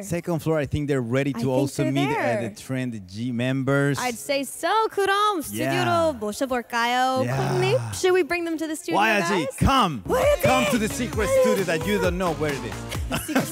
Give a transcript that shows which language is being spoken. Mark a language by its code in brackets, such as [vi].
[en] Second floor. I think they're ready to also meet the TRENDZ members. I'd say so. [ko] 그럼 스튜디오로 모셔볼까요? [en] 코드네임, should we bring them to the studio? [ko] 와야지. [en] Guys? Come. Come to the secret studio that you don't know where it is.